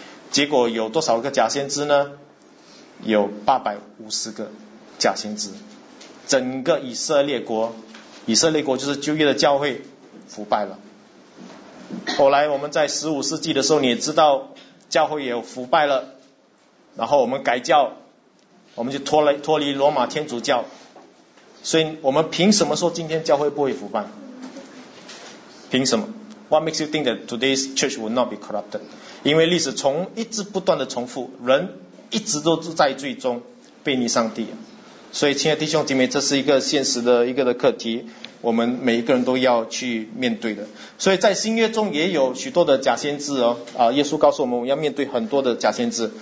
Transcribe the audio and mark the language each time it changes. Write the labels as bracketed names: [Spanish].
[Chinese] 结果有多少个假先知呢？有850个假先知，整个以色列国，以色列国就是旧约的教会腐败了。后来我们在15世纪的时候，你也知道教会也有腐败了，然后我们改教，我们就脱离罗马天主教。所以我们凭什么说今天教会不会腐败？凭什么？ [English] What makes you think that today's church will not be corrupted？ [Chinese] 因为历史从一直不断的重复，人一直都在最终背逆上帝。所以亲爱的弟兄姐妹，这是一个现实的一个的课题，我们每一个人都要去面对的。所以在新约中也有许多的假先知耶稣告诉我们要面对很多的假先知。